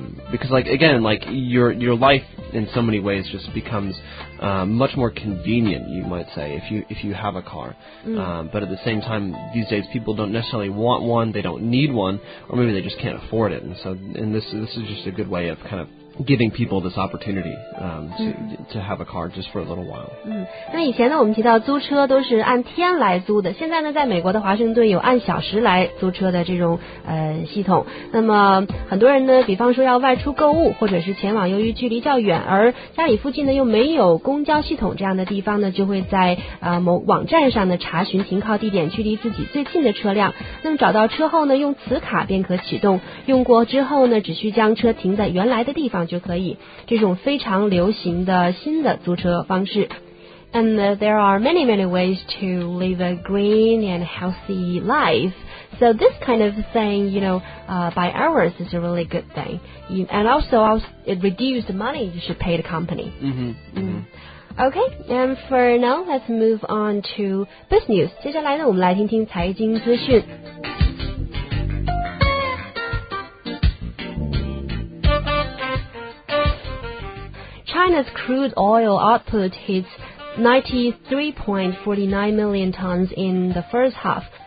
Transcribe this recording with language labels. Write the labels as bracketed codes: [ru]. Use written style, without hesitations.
[en] Because like again, like your life in so many ways just becomes much more convenient, you might say, if you have a car. But at the same time, these days people don't necessarily want one, they don't need one, or maybe they just can't afford it. And this is just a good way of kind of giving people this opportunity to have a car just for a little while. [zh] 那以前呢，我们提到租车都是按天来租的。现在呢，在美国的华盛顿有按小时来租车的这种系统。那么很多人呢，比方说要外出购物，或者是前往由于距离较远而家里附近呢又没有公交系统这样的地方呢，就会在某网站上呢查询停靠地点，距离自己最近的车辆。那么找到车后呢，用磁卡便可启动。用过之后呢，只需将车停在原来的地方。就可以，这种非常流行的新的租车方式。 [en] And there are many ways to live a green and healthy life. So this kind of thing, you know, by hours is a really good thing. And also, it reduces the money you should pay the company. Okay, and for now, let's move on to business. [zh] 接下来呢，我们来听听财经资讯。 [en] China's crude oil output hits 93.49 million tons in the first half.